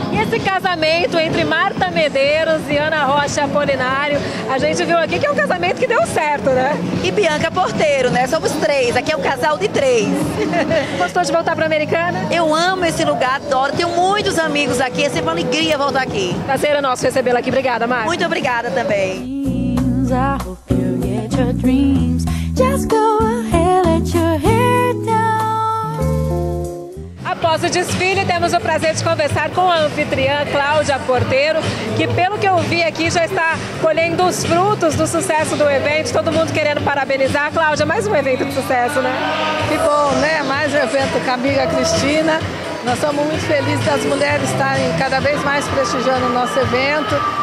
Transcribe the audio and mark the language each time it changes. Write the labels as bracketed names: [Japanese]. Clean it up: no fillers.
[Portuguese] E esse casamento entre Marta Medeiros e Ana Rocha Apolinário, a gente viu aqui que é um casamento que deu certo, né? E Bianca Porteiro, né? Somos três, aqui é um casal de três. Gostou de voltar para a Americana? Eu amo esse lugar, adoro, tenho muitos amigos aqui, é sempre uma alegria voltar aqui. Prazer é nosso recebê-la aqui, obrigada, Marta. Muito obrigada também. [English] I hope you get your dreams. Just go ahead, let your hair down. [Portuguese] Após nosso desfile, temos o prazer de conversar com a anfitriã Cláudia Porteiro, que pelo que eu vi aqui já está colhendo os frutos do sucesso do evento, todo mundo querendo parabenizar. Cláudia, mais um evento de sucesso, né? Que bom, né? Mais um evento com a amiga Cristina. Nós estamos muito felizes das mulheres estarem cada vez mais prestigiando o nosso evento.